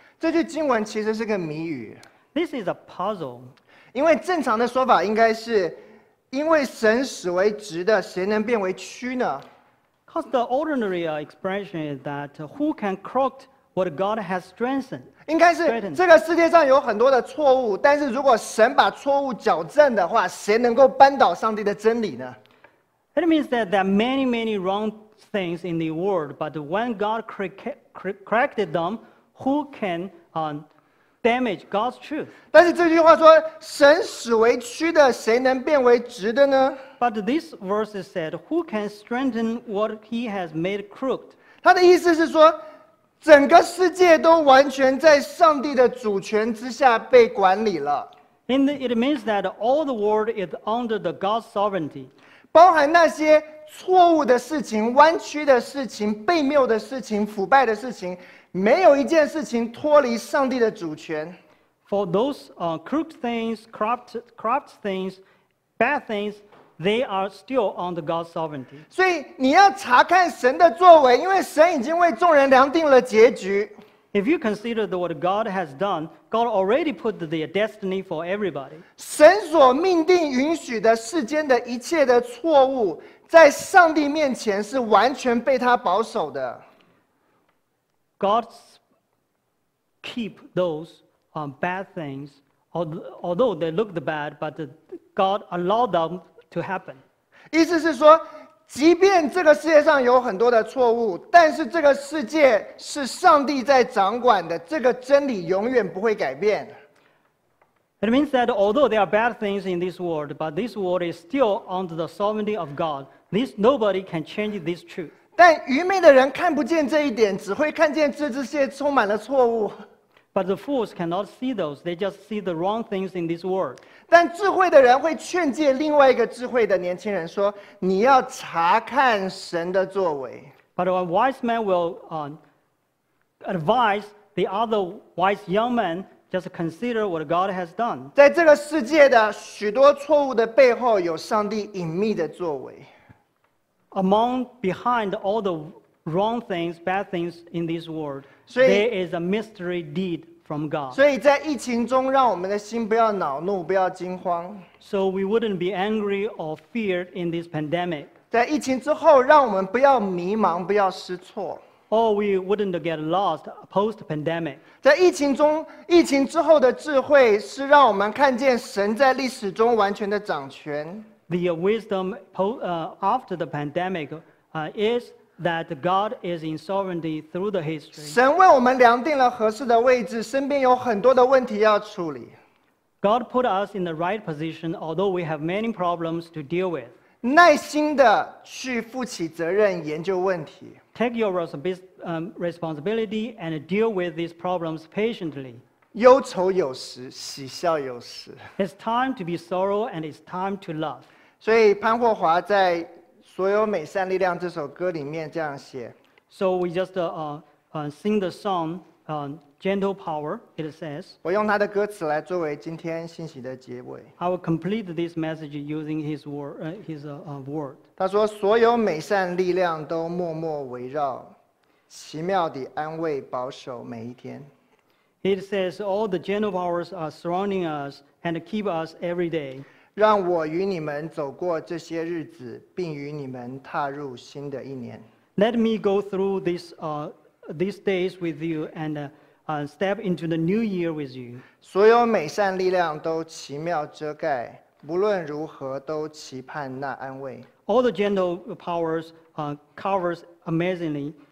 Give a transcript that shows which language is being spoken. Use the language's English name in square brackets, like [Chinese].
[Chinese] 这句经文其实是个谜语。 [English] This is a puzzle. [Chinese] 因为正常的说法应该是，因为神使为直的，谁能变为曲呢？ [English] Because the ordinary expression is that who can crooked what God has strengthened? [Chinese] 应该是这个世界上有很多的错误，但是如果神把错误矫正的话，谁能够扳倒上帝的真理呢？ [English] It means that there are many, many wrong things in the world, but when God corrected them, who can damage God's truth? [Chinese] 但是这句话说，神使为曲的，谁能变为直的呢？ [English] But this verse said, who can strengthen what he has made crooked? [Chinese] 他的意思是说，整个世界都完全在上帝的主权之下被管理了。 [English] And it means that all the world is under the God's sovereignty. [Chinese] 包含那些错误的事情、弯曲的事情、悖谬的事情、腐败的事情，没有一件事情脱离上帝的主权。 [English] For those crooked things, corrupt things, bad things, they are still under God's sovereignty. [Chinese] 所以你要查看神的作为，因为神已经为众人量定了结局。 [English] If you consider what God has done, God already put the destiny for everybody. [Chinese] 神所命定允许的世间的一切的错误，在上帝面前是完全被他保守的。 [English] God keep those bad things, although they look the bad, but God allowed them to happen. [Chinese] 意思是说即便这个世界上有很多的错误，但是这个世界是上帝在掌管的，这个真理永远不会改变。 [English] It means that although there are bad things in this world, but this world is still under the sovereignty of God. This nobody can change this truth. [Chinese] 但愚昧的人看不见这一点，只会看见这世界充满了错误。 [English] But the fools cannot see those; they just see the wrong things in this world. [Chinese] 但智慧的人会劝诫另外一个智慧的年轻人说：“你要查看神的作为。” [English] But a wise man will advise the other wise young man just consider what God has done. [Chinese] 在这个世界的许多错误的背后，有上帝隐秘的作为。 [English] Behind all the wrong things, bad things in this world. There is a mystery deed from God. [Chinese] 所以在疫情中，让我们的心不要恼怒，不要惊慌。 [English] So we wouldn't be angry or feared in this pandemic. [Chinese] 在疫情之后，让我们不要迷茫，不要失措。 [English] Or we wouldn't get lost post-pandemic. [Chinese] 在疫情中，疫情之后的智慧是让我们看见神在历史中完全的掌权。 [English] The wisdom after the pandemic is. That God is in sovereignty through the history. [Chinese] 神为我们量定了合适的位置，身边有很多的问题要处理。 [English] God put us in the right position, although we have many problems to deal with. [Chinese] 耐心地去负起责任，研究问题。 [English] Take your responsibility and deal with these problems patiently. [Chinese] 忧愁有时，喜笑有时。 [English] It's time to be sorrow and it's time to laugh. [Chinese] 所以潘霍华在。所有美善力量这首歌里面这样写 [English] So we just sing the song Gentle Power, it says [Chinese] 我用他的歌词来作为今天信息的结尾 [English] I will complete this message using his word, word [Chinese] 他说所有美善力量都默默围绕奇妙地安慰保守每一天 [English] It says all the gentle powers are surrounding us and keep us every day [Chinese] 让我与你们走过这些日子，并与你们踏入新的一年。 [English] Let me go through these days with you and step into the new year with you. [Chinese] 所有美善力量都奇妙遮盖，不论如何都期盼那安慰。 [English] All the gentle powers covers amazingly.